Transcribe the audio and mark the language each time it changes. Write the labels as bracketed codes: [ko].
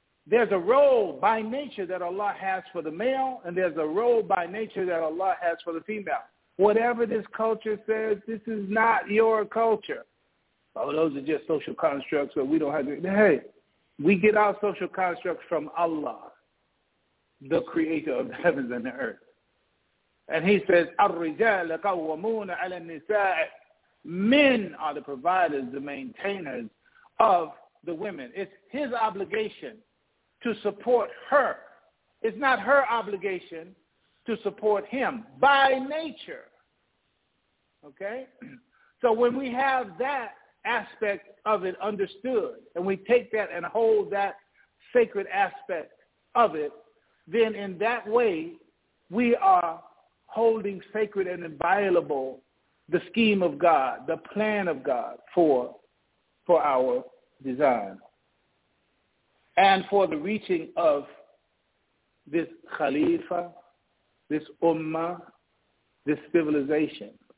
[en] There's a role by nature that Allah has for the male, and there's a role by nature that Allah has for the female. Whatever this culture says, this is not your culture. Oh, those are just social constructs, but we don't have to. Hey, we get our social constructs from Allah, the creator of the heavens and the earth. And he says, [ar] الرجال قوامون على النساء. [en] Men are the providers, the maintainers of the women. It's his obligation to support her. It's not her obligation to support him by nature. Okay? So when we have that aspect of it understood, and we take that and hold that sacred aspect of it, then in that way, we are holding sacred and inviolable the scheme of God, the plan of God for our design and for the reaching of this Khalifa, this Ummah, this civilization.